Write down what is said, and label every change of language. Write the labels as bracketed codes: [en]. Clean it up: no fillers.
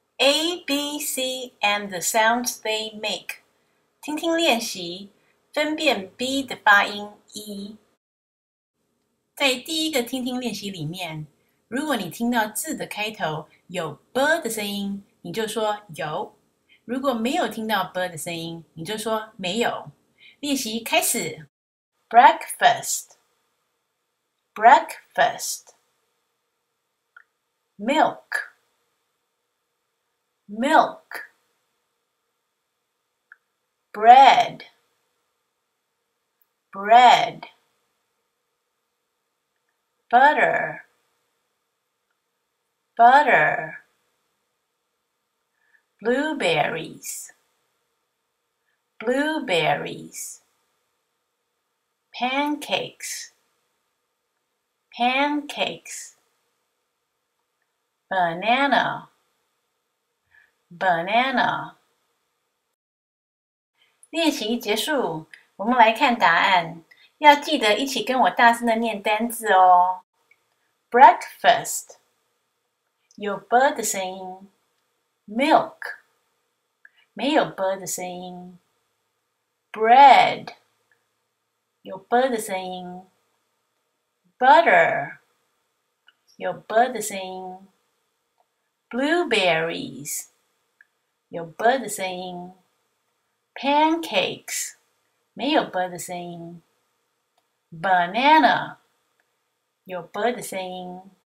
[en] ABC and the sounds they make. [zh] 听听练习，分辨 B 的发音一。在第一个听听练习里面，如果你听到字的开头有 b 的声音，你就说有；如果没有听到 b 的声音，你就说没有。练习开始。 [en] Breakfast, breakfast, milk, milk, bread, bread, butter, butter, blueberries, blueberries. Pancakes, pancakes, banana, banana. [zh] 练习结束，我们来看答案，要记得一起跟我大声的念单字哦。 Breakfast 有 b 的声音，milk 没有 b 的声音，bread。有 b 的声音，butter 有 b 的声音，blueberries 有 b 的声音，pancakes 没有 b 的声音，banana 有 b 的声音。